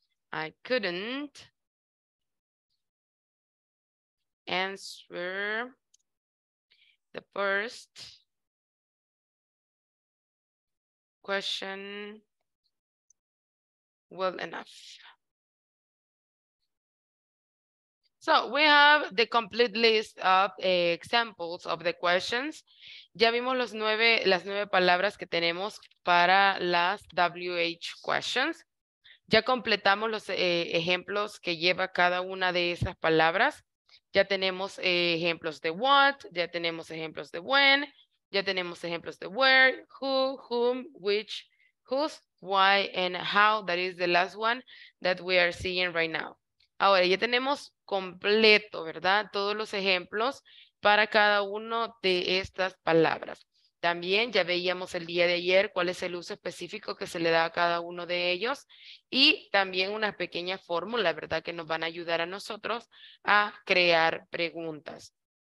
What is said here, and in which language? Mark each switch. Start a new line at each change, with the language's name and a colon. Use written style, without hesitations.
English: I couldn't answer the first question well enough. So we have the complete list of examples of the questions.
Spanish: Ya vimos las nueve palabras que tenemos para las WH questions. Ya completamos los ejemplos que lleva cada una de esas palabras. Ya tenemos ejemplos de what, ya tenemos ejemplos de when, ya tenemos ejemplos de where, who, whom, which, whose, why, and how.
English: That is the last one that we are seeing right now.
Spanish: Ahora, ya tenemos completo, ¿verdad? Todos los ejemplos para cada uno de estas palabras. También ya veíamos el día de ayer cuál es el uso específico que se le da a cada uno de ellos y también una pequeña fórmula, ¿verdad?, que nos van a ayudar a nosotros a crear preguntas.